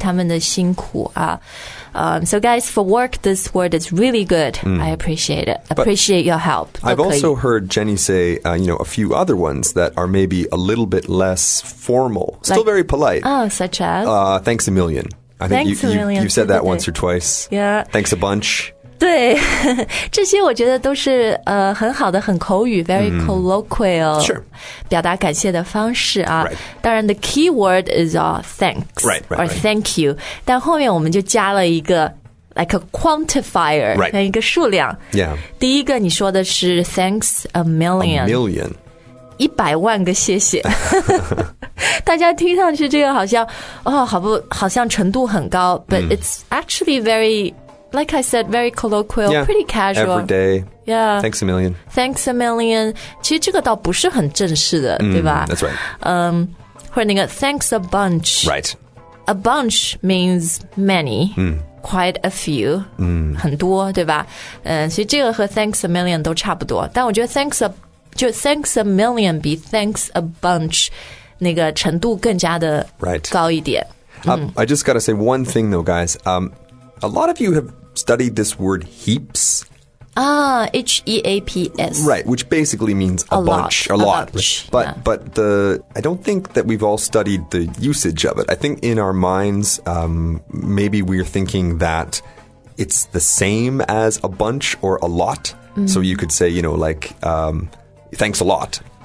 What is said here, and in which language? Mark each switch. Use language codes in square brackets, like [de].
[zh] 他们的辛苦啊、 [en] So guys, for work, this word is really good、I appreciate it、 But、 appreciate your help I've also heard Jenny say、a few other ones that are maybe a little bit less formal still like, very polite、 such as、 thanks a million I think you've said that once or twice Yeah. thanks a bunch [zh] 对，这些我觉得都是很好的，很口语 ， [en] very colloquial，、 sure. [zh] 表达感谢的方式啊。 [en] Right. [zh] 当然 [en] ，the key word is thanks or thank you， [zh] 但后面我们就加了一个 [en] like a quantifier， [zh] 像、一个数量。 [en] Yeah. [zh] 第一个你说的是 [en] thanks a million， [zh] 一百万个谢谢。大家听上去这个好像哦，好像程度很高 ， [en] but it's actually very。 Like I said, very colloquial, yeah, pretty casual. Every day. Yeah. Thanks a million. [zh] 其实这个倒不是很正式的、对吧 [en] That's right. [zh] 或者那个 [en] thanks a bunch. Right. A bunch means many,、quite a few,、 [zh] 很多对吧、所以这个和 [en] thanks a million [zh] 都差不多。但我觉得 [en] thanks a million [zh] 比 [en] thanks a bunch [zh] 那个程度更加的高一点。 [en] Right. I just gotta say one thing though, guys. A lot of you have studied this word heaps. H-E-A-P-S. Right, which basically means a bunch. But,、 yeah. but the, I don't think that we've all studied the usage of it. I think in our minds,、maybe we're thinking that it's the same as a bunch or a lot.、So you could say, thanks a lot.